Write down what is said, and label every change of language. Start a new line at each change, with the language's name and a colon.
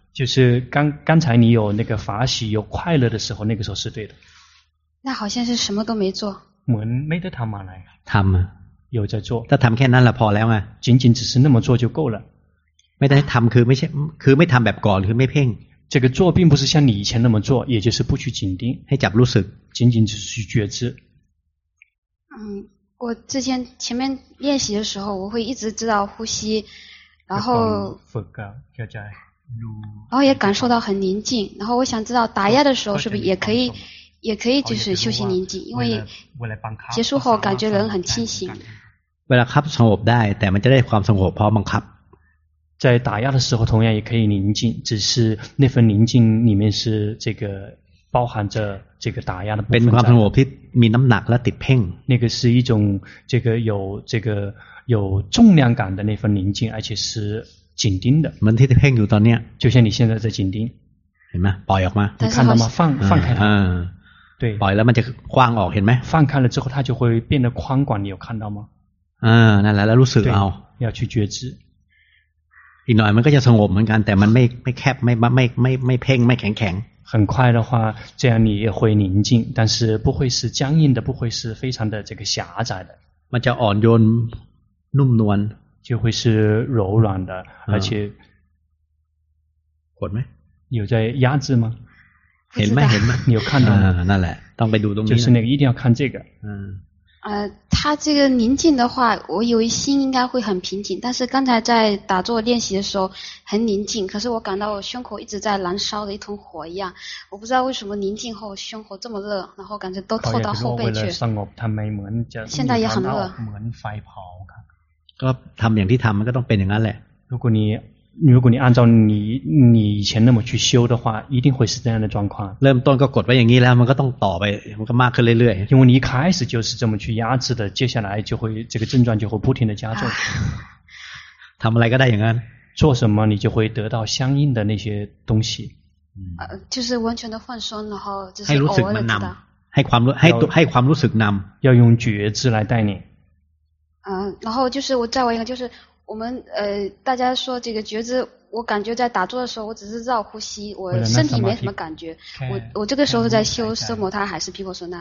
Chinese: 就是刚才你有那个法喜有快乐的时候那个时候是对的那好像是什么都没做
Thai: เหมือนไม่ได้ทำอะไร ทำ
Chinese: 有在做
Thai: ถ้าทำแค่นั้นละพอแล้วไง
Chinese: 仅仅只是那么做就够了
Thai: ไม่ได้ทำคือไม่ทำแบบก่อนคือไม่เพ่ง
Chinese: 这个做并不是像你以前那么做也就是不去紧盯
Thai: ให้จับรู้สึก
Chinese: 仅仅只是去觉知我之前前面练习的时候我会一直知道呼吸然后也感受到很宁静然后我想知道打压的时候是不是也可以就是休息宁静因为结束后感觉人很清醒为了
Thai: ครับสงบได้แต่มันจะได้ความสงบเพราะบังคับ
Chinese: 在打压的时候同样也可以宁静只是那份宁静里面是这个包含着这个打压的部分
Thai: เป็นความสงบที่มีน้ำหนักและติดเพ่ง
Chinese: 那个是一种这个有重量感的那份宁静而且是紧盯的
Thai: มันที่เพ่งอยู่ตอนเนี้ย
Chinese: 就像你现在在紧盯
Thai: เห็นไหมปล่อยออกมา
Chinese: 你看到吗放开它对
Thai: ปล่อยแล้วมันจะคว้างออกเห็นไหม
Chinese: 放开了之后它就会变得宽广你有看到吗
Thai: นั่นแหละแล้วรู้สึกเอา
Chinese: 要去觉知
Thai: อีกหน่อยมันก็จะสงบเหมือนกันแต่มันไม่แคบไม่เพ่งไม่แข็ง
Chinese: 很快的话这样你也会宁静但是不会是僵硬的不会是非常的这个狭窄的
Thai: มันจะอ่อนโยนนุ่มนวล
Chinese: 就会是柔软的而且
Thai: กดไหม
Chinese: 有在压制吗
Thai: เห็นไหม
Chinese: 你有看到吗
Thai: นั่นแหละต้องไปดูตรงนี้
Chinese: 就是那个一定要看这个他这个宁静的话我以为心应该会很平静但是刚才在打坐练习的时候很宁静可是我感到我胸口一直在燃烧的一团火一样我不知道为什么宁静后胸口这么热然后感觉都透到后背去现在也很热
Thai: เหมือนไฟเผา ก็ทำอย่างที่ทำมันก็ต้องเป็นอย่างนั้นแหละ
Chinese: 如果你如果你按照你以前那么去修的话，一定会是这样的状况。
Thai: เริ่มต้นก็กดไว้อย่างนี้แล้วมันก็ต้องต่อไปมันก็มากขึ้นเรื่อยๆ
Chinese: 因为你一开始就是这么去压制的，接下来就会这个症状就会不停的加重。
Thai: ทำอะไรก็ได้อย่างนั้น
Chinese: 做什么你就会得到相应的那些东西。就是完全的放松，然后就是
Thai: ให้รู้สึกมันนำให้ความรู้สึกนำ
Chinese: 要用觉知来带领。然后就是我再问一个，就是我们大家说这个觉知，我感觉在打坐的时候，我只是绕呼吸，我身体没什么感觉。我这个时候在修奢摩他还是毗婆舍那？